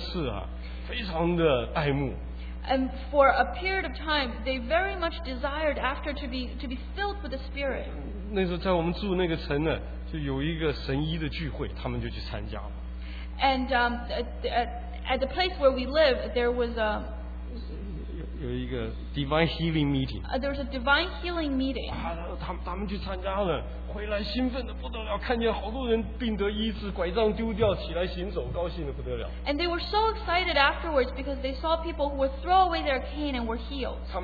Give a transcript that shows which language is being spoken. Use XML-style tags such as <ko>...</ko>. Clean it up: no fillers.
<zh>他们对于圣灵充满圣灵的恩赐，非常的爱慕。</zh> <en>And for a period of time, they very much desired after to be filled with the Spirit.</en> <zh>那时候在我们住那个城呢，就有一个神医的聚会，他们就去参加了。</zh> <en>And at the place where we live, there was a</en> <zh>有一个</zh> <en>divine healing meeting. There was a divine healing meeting.</en> <zh>他们去参加了，回来兴奋的不得了，看见好多人病得医治，拐杖丢掉，起来行走，高兴的不得了。</zh> <en>And they were so excited afterwards because they saw people who would throw away their cane and were healed.</en>